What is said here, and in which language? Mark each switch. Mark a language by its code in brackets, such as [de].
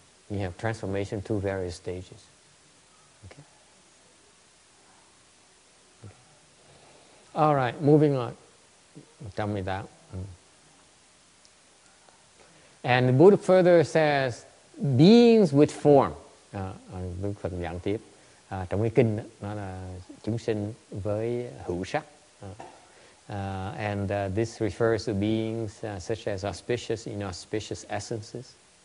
[en] You have transformation to various stages. All right, moving on. Tell me that. And the Buddha further says, beings with form. [vi] Đức Phật giảng tiếp. Trong cái kinh, nó là chúng sinh với hữu sắc. [en] And this refers to beings such as auspicious, inauspicious essences.